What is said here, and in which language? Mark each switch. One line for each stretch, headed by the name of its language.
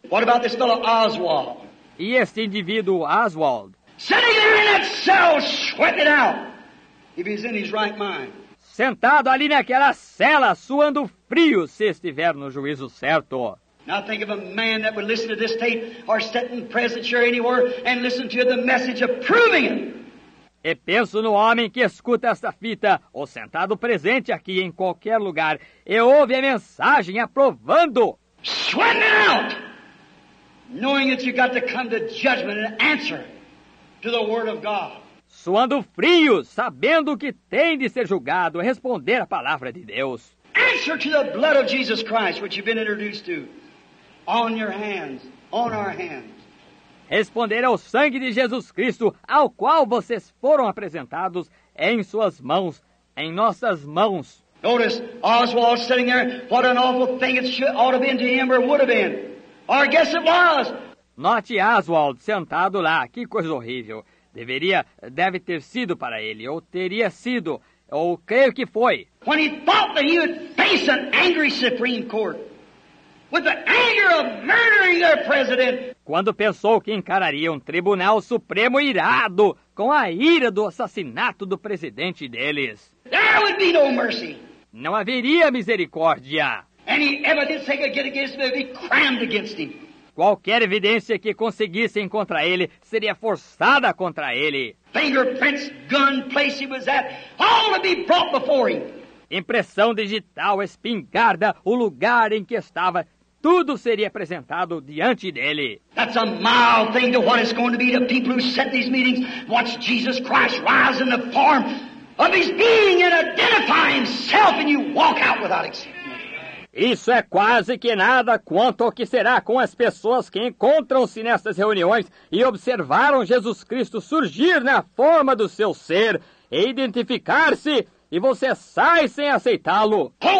English: What about this fellow Oswald?
Portuguese: E este indivíduo Oswald?
English: Sitting there in that cell, sweating it out. If he's in his right mind.
Portuguese: Sentado ali naquela cela, suando frio, se estiver no juízo certo.
English: Now think of a man that would listen to this tape or sit in presence or anywhere and listen to the message of proving it.
Portuguese: E penso no homem que escuta esta fita, ou sentado presente aqui em qualquer lugar, e ouve a mensagem aprovando.
English: Sweating it out. Knowing that you got to come to judgment and answer to the word of God.
Portuguese: Suando frio, sabendo que tem de ser julgado, responder à palavra de Deus.
English: Answer to the blood of Jesus Christ, which you've been introduced to. On your hands, on our hands.
Portuguese: Responder ao sangue de Jesus Cristo, ao qual vocês foram apresentados, em suas mãos, em nossas mãos.
English: Notice Oswald sitting there, what an awful thing it should, ought to be to him, or would have been. Or guess it was.
Portuguese: Note Oswald sentado lá, que coisa horrível. Deveria, deve ter sido para ele, ou teria sido, ou creio que foi.
English: When he thought that he would face an angry Supreme Court, with the anger of murdering their president.
Portuguese: Quando pensou que encararia um tribunal supremo irado com a ira do assassinato do presidente deles.
English: There would be no mercy.
Portuguese: Não haveria misericórdia.
English: Any evidence they could get against him would be crammed against him.
Portuguese: Qualquer evidência que conseguissem contra ele seria forçada contra ele.
English: Fingerprints, gun, place he was at, all would be brought before him.
Portuguese: Impressão digital, espingarda, o lugar em que estava, tudo seria apresentado diante dele.
English: That's a mild thing to what it's going to be to people who set these meetings, watch Jesus Christ rise in the form of his being and identify himself and you walk out without exception.
Portuguese: Isso é quase que nada quanto ao que será com as pessoas que encontram-se nestas reuniões e observaram Jesus Cristo surgir na forma do seu ser e identificar-se, e você sai sem aceitá-lo.